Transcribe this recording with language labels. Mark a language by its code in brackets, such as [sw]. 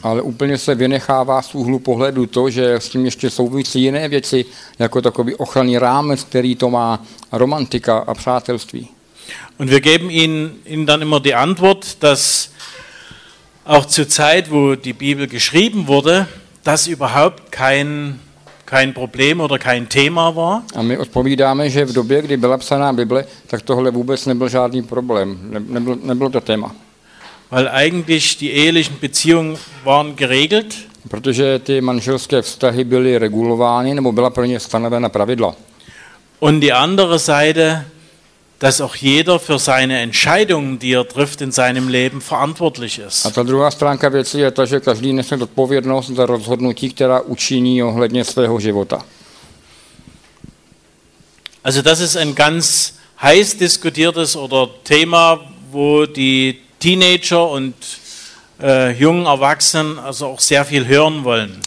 [cs] Ale úplně se vynechává z úhlu pohledu to, že s tím ještě souvisí jiné věci, jako takový ochranný rámec, který to má, romantika a přátelství. [de] Und wir geben ihnen dann immer die Antwort, dass auch zur Zeit, wo die Bibel geschrieben wurde, das überhaupt kein Problem oder kein Thema war. [cs] A my odpovídáme, že v době, kdy byla psaná Bible, tak tohle vůbec nebyl žádný problém, nebylo to téma. [de] Weil eigentlich die ehelichen Beziehungen waren geregelt. [cs] Protože ty manželské vztahy byly regulovány, nebo byla pro ně stanovena pravidla. [de] Und die andere Seite, dass auch jeder für seine Entscheidungen, die er trifft in seinem Leben, verantwortlich ist. [cs] A ta druhá stránka věci je ta, že každý nese odpovědnost za rozhodnutí, která učiní ohledně svého života. [de] Also das ist ein ganz heiß diskutiertes oder Thema, wo die Teenager und jungen Erwachsenen also auch sehr viel hören wollen.